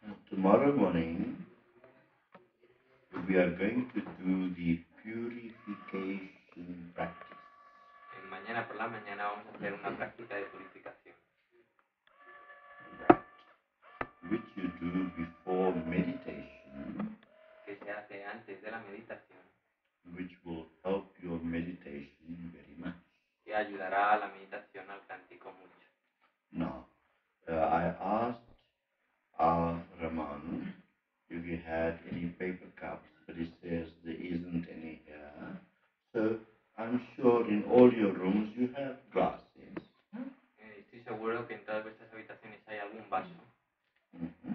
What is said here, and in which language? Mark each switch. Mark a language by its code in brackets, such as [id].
[en] Tomorrow morning, we are going to do the purification practice. [es] En mañana por la mañana vamos a hacer una práctica de purificación. [en] Which you do before meditation, [es] que se hace antes de la meditación, [en] which will help your meditation very much, [es] que ayudará a la meditación al cántico mucho. [en] Now, I asked Raman if he had any paper cups, but he says there isn't any here. So I'm sure in all your rooms you have glasses. [es] Estoy seguro que en todas vuestras habitaciones hay algún vaso.